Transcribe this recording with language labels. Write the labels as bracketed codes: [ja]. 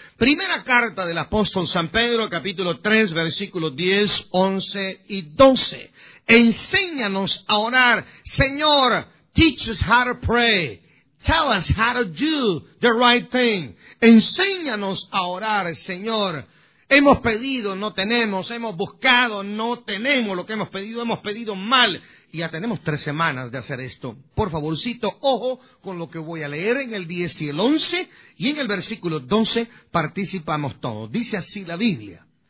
[es] Primera carta del apóstol San Pedro, capítulo 3, versículo 10, 11 y 12. Enséñanos a orar. Señor, [en] teach us how to pray. Tell us how to do the right thing. [es] Enséñanos a orar, Señor. Hemos pedido, no tenemos. Hemos buscado, no tenemos. Lo que hemos pedido, hemos pedido mal. Y ya tenemos 3 semanas de hacer esto. Por favorcito, ojo con lo que voy a leer en el 10 y el 11. Y en el versículo 12 participamos todos. Dice así la Biblia.